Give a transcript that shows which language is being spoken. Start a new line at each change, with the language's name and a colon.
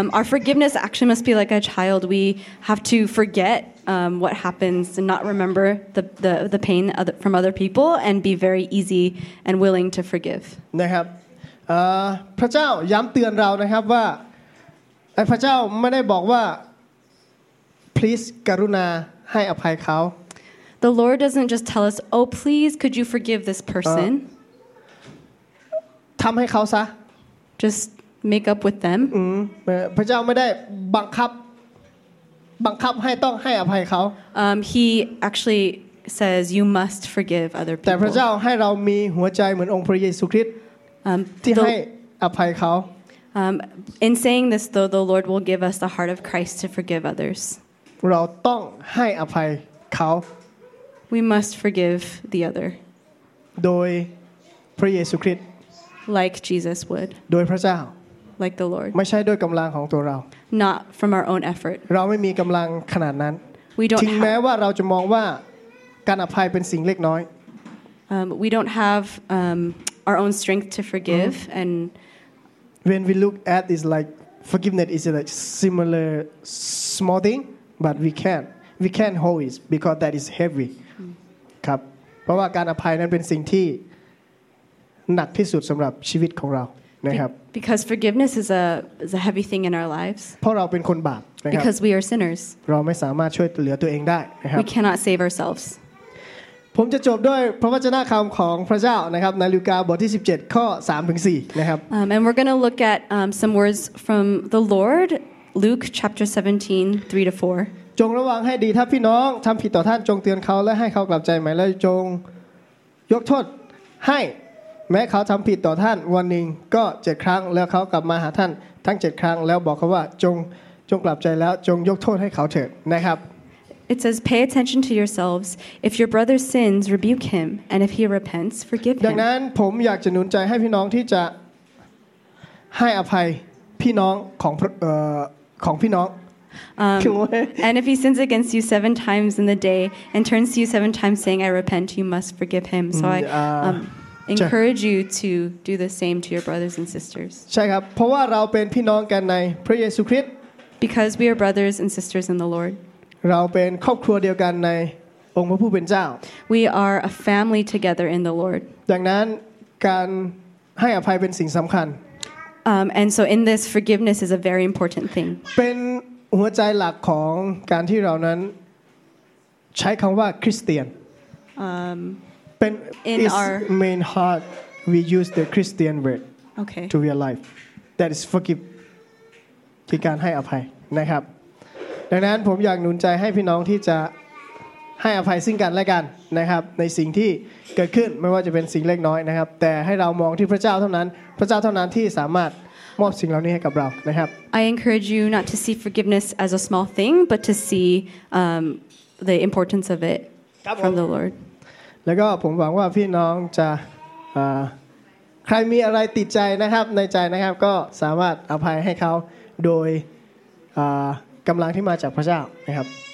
English: Our forgiveness actually must be like a child. We have to forget what happens and not remember the pain from other people and be very easy and willing to forgive.
Thai: นะครับพระเจ้าย้ำเตือนเรานะครับว่าพระเจ้าไม่ได้บอกว่าPlease กรุณาให้อภัยเขา
English: The Lord doesn't just tell us, "Oh, please, could you forgive this person?"
Thai: ทำให้เขาซะ
English: Just make up with them.
Thai: พระเจ้าไม่ได้บังคับให้ต้องให้อภัยเขา
English: He actually says, "You must forgive other people."
Thai: แต่พระเจ้าให้เรามีหัวใจเหมือนองค์พระเยซูคริสต์ที่ให้อภัยเขา
English: In saying this, though, the Lord will give us the heart of Christ to forgive others.
Thai: เราต้องให้อภัยเขา
English: We must forgive the other
Thai: โดยพระเยซูคริสต์
English: Like Jesus would
Thai: โดยพระเจ้า
English: Like the Lord
Thai: ไม่ใช่ด้วยกำลังของตัวเรา
English: Not from our own effort
Thai: เราไม่มีกำลังขนาดนั้น
English: We don't
Thai: ถึงแม้ว่าเราจะมองว่าการอภัยเป็นสิ่งเล็กน้อย
English: We don't have our own strength to forgive and When we look at it's like forgiveness is like similar small thingBut we can't hold it because that is heavy.
Thai: ครับเพราะว่าการอภัยนั้นเป็นสิ่งที่หนักที่สุดสำหรับชีวิตของเรานะครับ
English: Because forgiveness is a heavy thing in our lives.
Thai: เพราะเราเป็นคนบาปนะครับ
English: Because we are sinners.
Thai: เราไม่สามารถช่วยเหลือตัวเองได้นะครับ
English: We cannot save ourselves.
Thai: ผมจะจบด้วยพระวจนะคำของพระเจ้านะครับในลูกาบทที่17ข้อ3ถึง4นะครับ
English: And we're going to look at some words from the Lord Luke chapter 17 3 to 4
Thai: จงระวังให้ดีถ้าพี่น้องทำผิดต่อท่านจงเตือนเขาและให้เขากลับใจใหม่และจงยกโทษให้แม้เขาทำผิดต่อท่านวันหนึ่งก็7ครั้งแล้วเขากลับมาหาท่านทั้ง7ครั้งแล้วบอกเขาว่าจงกลับใจแล้วจงยกโทษให้เขาเถิดนะครับ
English: It says pay attention to yourselves if your brother sins rebuke him and if he repents forgive him
Thai: ดังนั้นผมอยากจะหนุนใจให้พี่น้องที่จะให้อภัยพี่น้องของของพี่น้อง
English: and if he sins against you 7 times in the day and turns to you 7 times saying I repent you must forgive him so I encourage you to do the same to your brothers and sisters.
Thai: ใช่ครับเพราะว่าเราเป็นพี่น้องกันในพระเยซูคริสต์
English: Because we are brothers and sisters in the Lord.
Thai: เราเป็นครอบครัวเดียวกันในองค์พระผู้เป็นเจ้า
English: We are a family together in the Lord.
Thai: ดังนั้นการให้อภัยเป็นสิ่งสำคัญ
English: And so in this forgiveness is a very important thing.
Thai: เป็นหัวใจหลักของการที่เรานั้นใช้คำว่าคริสเตียน
English: In our main heart, we use the Christian word okay. to real life. That is forgive.
Thai: ที่การให้อภัยนะครับดังนั้นผมอยากหนุนใจให้พี่น้องที่จะให้อภัยซึ่งกันและกันนะครับในสิ่งที่เกิดขึ้นไม่ว่าจะเป็นสิ่งเล็กน้อยนะครับแต่ให้เรามองที่พระเจ้าเท่านั้นพระเจ้าเท่านั้นที่สามารถมอบสิ่งเหล่านี้ให้กับเรานะครับ
English: I encourage you not to see forgiveness as a small thing, but to see the importance of it from the Lord.
Thai: แล้วก็ผมหวังว่าพี่น้องจะใครมีอะไรติดใจนะครับในใจนะครับก็สามารถอภัยให้เขาโดยกำลังที่มาจากพระเจ้านะครับ